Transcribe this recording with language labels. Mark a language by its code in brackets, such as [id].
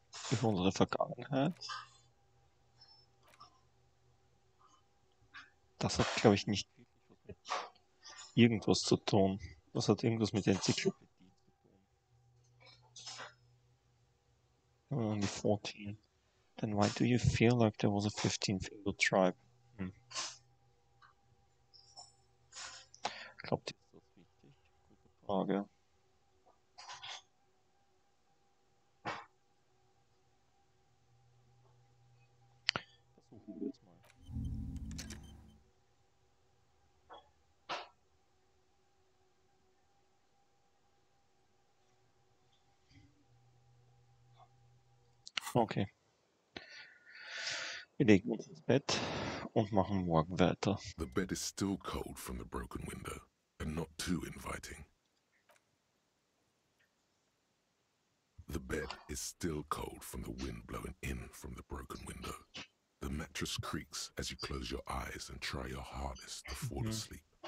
[de] Über unsere Vergangenheit. Das hat, glaube ich, nicht wirklich was mit irgendwas zu tun. Das hat irgendwas mit der Enzyklopädie zu tun. [en] Only 14. Then why do you feel like there was a 15th Indo-Tribe? [de] glaube, das ist wichtig. Gute Frage. Okay. Wir legen uns ins Bett und machen morgen weiter. [en] The bed is still cold from the broken window and not too inviting. The bed is still cold from the wind blowing in from the broken window. The mattress creaks as you close your eyes and try your hardest to fall asleep.